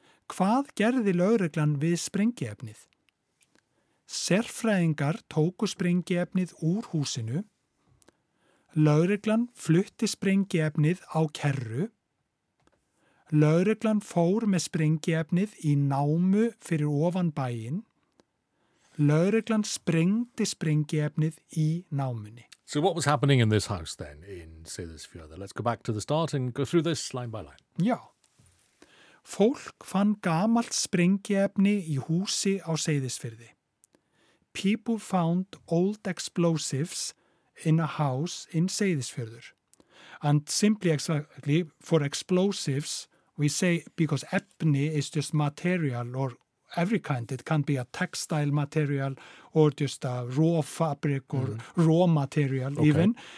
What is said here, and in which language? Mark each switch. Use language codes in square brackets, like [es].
[is] Hvað gerði lögreglan við sprengiefnið? Sérfræðingar tóku sprengiefnið úr húsinu. Lögreglan flutti sprengiefnið á kerru. Lögreglan fór með sprengiefnið í námu fyrir ofan bæinn. Lögreglan sprengdi sprengiefnið í námunni. [en] So what was happening in this house then in Seyðisfjörður? Let's go back to the start and go through this line by line. [is] Já. Fólk fann gamalt sprengiefni í húsi á Seyðisfirði. [en] People found old explosives in a house in Seyðisfjörður. And simply exactly for explosives, we say because efni is just material or every kind, it can be a textile material or just a raw fabric or raw material even.